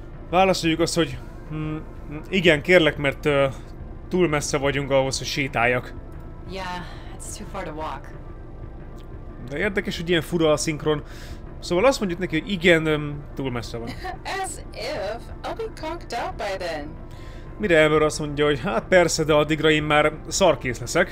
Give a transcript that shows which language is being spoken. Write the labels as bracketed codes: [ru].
[hu] Válaszoljuk azt, hogy igen, kérlek, mert túl messze vagyunk ahhoz, hogy sétáljak. [en] Yeah, it's too far to walk. [hu] De érdekes, hogy ilyen fura a szinkron. Szóval azt mondjuk neki, hogy igen, túl messze van. [en] As if, I'll be conked out by then. [hu] Mire Ember azt mondja, hogy hát persze, de addigra én már szarkész leszek.